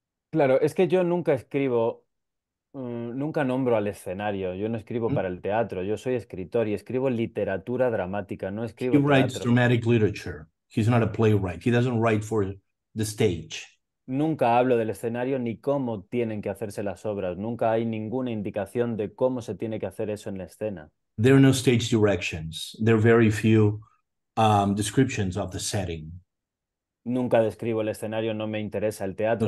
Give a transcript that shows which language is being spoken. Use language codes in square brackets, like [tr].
[es] Claro, es que yo nunca escribo, nunca nombro al escenario, yo no escribo para el teatro, yo soy escritor y escribo literatura dramática, no escribo teatro. [en] He writes dramatic literature. He's not a playwright. He doesn't write for the stage. [es] Nunca hablo del escenario ni cómo tienen que hacerse las obras. Nunca hay ninguna indicación de cómo se tiene que hacer eso en la escena. [en] There are no stage directions. There are very few descriptions of the setting. [es] Nunca describo el escenario, no me interesa el teatro.